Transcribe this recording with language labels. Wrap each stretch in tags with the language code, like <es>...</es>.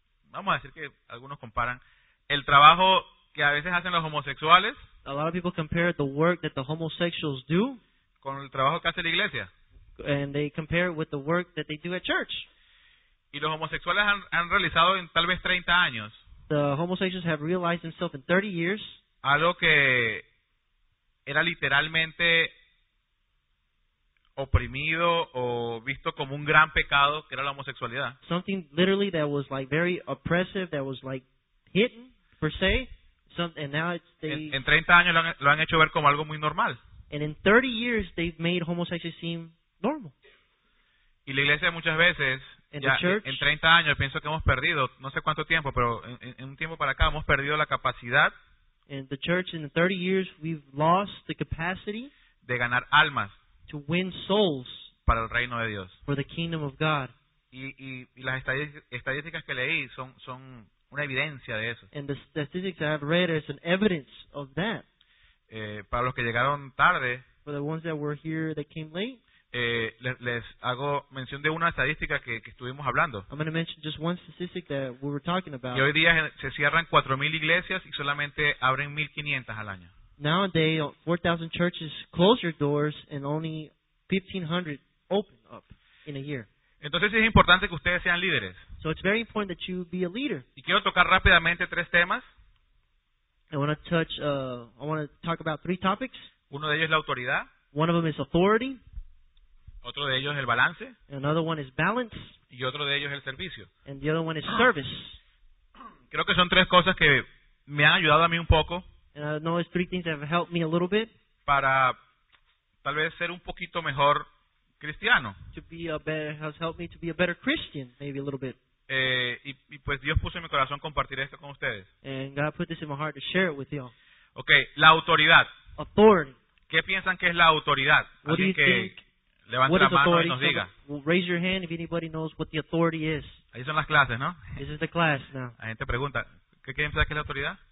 <es>Vamos a decir que algunos comparan el trabajo que a veces hacen los homosexuales.</es> <en>A lot of people compare the work that the homosexuals do</en> <es>con el trabajo que hace la iglesia.</es> <en>And they compare it with the work that they do at church.</en> <es>Y los homosexuales han realizado en tal vez 30 años.</es> <en>The homosexuals have realized themselves in 30 years.</en> <es>Algo que era literalmente oprimido o visto como un gran pecado, que era la homosexualidad.</es> <en>Something literally that was like very oppressive, that was like hidden per se.</en> <es>En 30 años lo han hecho ver como algo muy normal.</es> <en>And in 30 years they've made homosexuality seem normal.</en> <es>Y la iglesia muchas veces, ya,</es> <en>church,</en> <es>en 30 años pienso que hemos perdido, no sé cuánto tiempo, pero en un tiempo para acá hemos perdido la capacidad.</es> <en>And the church in the 30 years we've lost the capacity</en> <es>de ganar almas</es> <en>to win souls</en> <es>para el reino de Dios.</es> <en>For the kingdom of God.</en> <es>Y las estadísticas que leí son una evidencia de eso.</es> <en>And the statistics I have read is an evidence of that.</en> <es>Para los que llegaron tarde,</es> <en>for the ones that were here that came late,</en> <es>les hago mención de una estadística que estuvimos hablando.</es> <en>I'm going to mention just one statistic that we were talking about.</en> <es>Y hoy día se cierran 4,000 iglesias y solamente abren 1,500 al año.</es> <en>Nowadays, 4,000 churches close their doors and only 1,500 open up in a year.</en> <es>Entonces es importante que ustedes sean líderes.</es> <en>So it's very important that you be a leader.</en> <es>Y quiero tocar rápidamente tres temas.</es> <en>I want to talk about three topics.</en> <es>Uno de ellos es la autoridad.</es> <en>One of them is authority.</en> <es>Otro de ellos es el balance.</es> <en>Another one is balance.</en> <es>Y otro de ellos es el servicio.</es> <en>And the other one is service.</en> <es>Creo que son tres cosas que me han ayudado a mí un poco.</es> <en>And I know it's three things that have helped me a little bit.</en> <es>Para tal vez ser un poquito mejor cristiano.</es> <en>To be a better, has helped me to be a better Christian, maybe a little bit.</en> <es>Y pues Dios puso en mi corazón compartir esto con ustedes.</es> <en>And God put this in my heart to share it with you.</en> <es>Okay, la autoridad.</es> <en>Authority.</en> <es>¿Qué piensan que es la autoridad?</es> <en>What</en> <es>alguien</es> <en>do you think?</en> <es>Levanta la mano</es> <en>authority?</en> <es>Y nos diga.</es> <en>Well, raise your hand if anybody knows what the authority is.</en> <es>Ahí son las clases, ¿no?</es> <en>This is the class now.</en> <es>La gente pregunta, ¿qué quieren saber que es la autoridad?</es>